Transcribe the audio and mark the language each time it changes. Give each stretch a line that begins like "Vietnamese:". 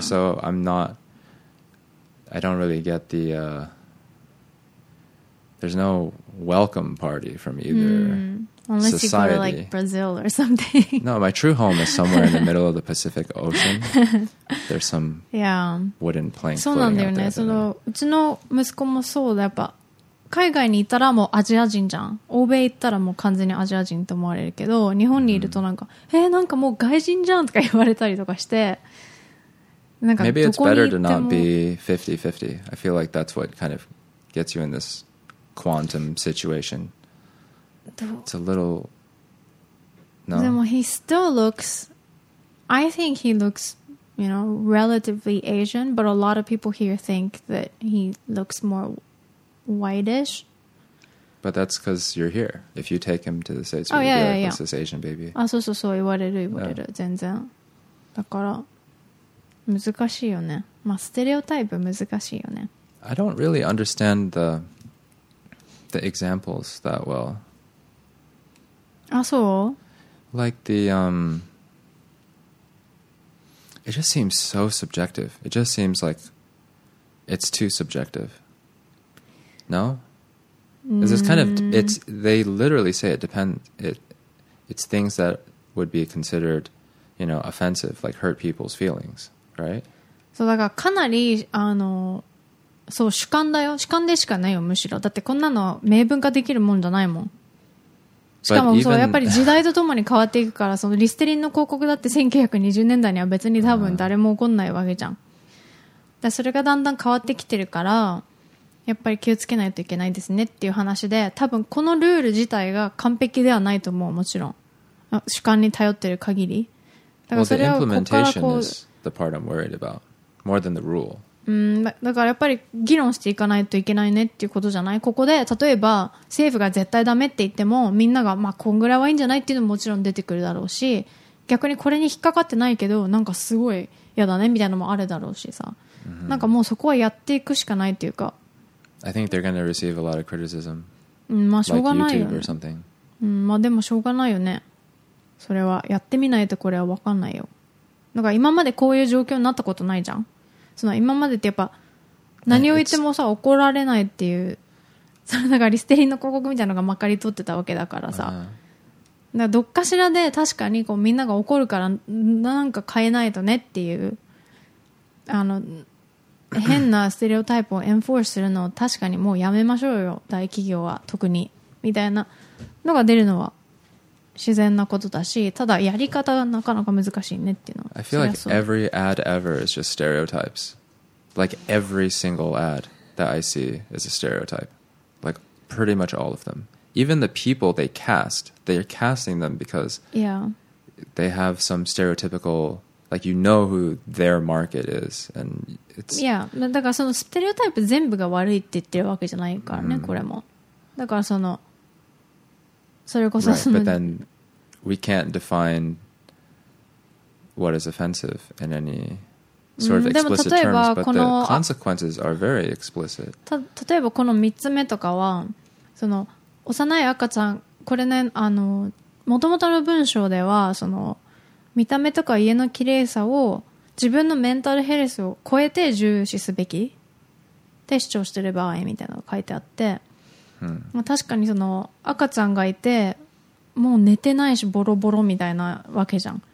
Japanese: So I'm not, I don't really get the, there's no welcome party from either society. Unless you go to like Brazil or something. No, my true home is somewhere in the middle of the Pacific Ocean. There's some wooden plank floating out there. そうなんだよね。うちの息子もそうだ。やっぱ海外に行ったらもうアジア人じゃん。欧米行ったらもう完全にアジア人と思われるけど、日本にいるとなんか、なんかもう外人じゃんとか言われたりとかして、
English: Maybe it's better to not be 50-50. I feel like that's what kind of gets you in this quantum situation. It's a little... No.
Japanese: でも
English: he still looks... I think he looks, you know, relatively Asian, but a lot of people here think that he looks more whitish. But that's because you're here. If you take him to the States, you'll be like, what's this Asian baby?
Japanese: あ、そうそうそう、言われる、言われる、全然。だから難しいよね。まあ、ステレオタイプ難しいよね。
English: I don't really understand the examples that well.
Japanese: あ、そう?
English: Like the, it just seems so subjective. It just seems like it's too subjective. No? Because it's kind of, it's, they literally say it depends, it's things that would be considered, you know, offensive, like hurt people's feelings. Right?
Japanese: そうだからかなりあのそう主観だよ主観でしかないよむしろだってこんなの明文化できるもんじゃないもんしかも
English: even...
Japanese: そうやっぱり時代とともに変わっていくからそのリステリンの広告だって1920年代には別に多分誰も怒んないわけじゃんだそれがだんだん変わってきてるからやっぱり気をつけないといけないですねっていう話で多分このルール自体が完璧ではないと思うもちろん主観に頼ってる限りだからそれはここからこう、
English: well,the part I'm worried about more than the rule
Japanese: だからやっぱり議論していかないといけないねっていうことじゃないここで例えば政府が絶対ダメって言ってもみんながまあこんぐらいはいいんじゃないっていうのももちろん出てくるだろうし逆にこれに引っかかってないけどなんかすごい嫌だねみたいなのもあるだろうしさ、mm-hmm. なんかもうそこはやっていくしかないっていうか
English: I think they're going to receive a lot of criticism
Japanese: まあしょうがないよ、ね、
English: like YouTube or something、
Japanese: まあでもしょうがないよねそれはやってみないとこれは分かんないよなんか今までこういう状況になったことないじゃん。その今までってやっぱ何を言ってもさ怒られないっていう、そのなんかリステリンの広告みたいなのがまかり取ってたわけだからさ。だからどっかしらで確かにこうみんなが怒るからなんか変えないとねっていう、あの、変なステレオタイプをエンフォースするのを確かにもうやめましょうよ。大企業は特に。みたいなのが出るのは。自然なことだし、ただやり方がなかなか難しいねっていうのは。
English: I feel like every ad ever is just stereotypes. Like every single ad that I see is a stereotype. Like pretty much all of them. Even the people they cast, they're casting them because they have some stereotypical, like you know who their market is. And it's...
Japanese: Yeah, だからそのステレオタイプ全部が悪いって言ってるわけじゃないからね、これも。だからその、それこそその、
English: right, but then we can't define what is offensive in any sort of explicit terms, but the consequences are very explicit.
Japanese: 例えばこの3つ目とかは、その幼い赤ちゃん、これね、あの元々の文章ではその見た目とか家の綺麗さを自分のメンタルヘルスを超えて重視すべきって主張してる場合みたいなのが書いてあって、まあ、確かにその赤ちゃんがいてもう寝てないしボロボロみたいなわけじゃん。